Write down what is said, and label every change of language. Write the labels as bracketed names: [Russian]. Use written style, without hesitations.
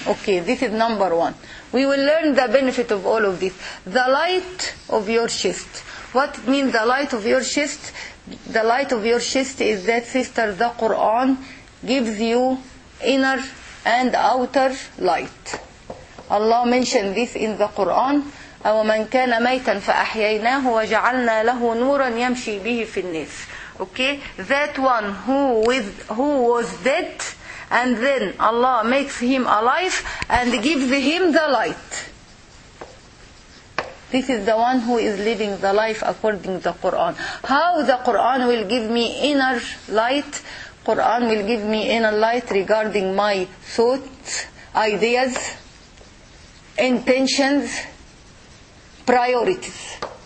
[English] Okay, this is number one. We will learn the benefit of all of this. The light of your chest. What means the light of your chest? The light of your chest is that, sister, the Quran gives you inner and outer light. Allah mentioned this in the Quran, [Arabic] وَمَنْ كَانَ مَيْتًا فَأَحْيَيْنَاهُ وَجَعَلْنَا لَهُ نُورًا يَمْشِي بِهِ فِي النَّاسِ. [English] Okay, that one who was dead and then Allah makes him alive and gives him the light. This is the one who is living the life according to the Quran. How the Quran will give me inner light? Quran will give me inner light regarding my thoughts, ideas, intentions, priorities.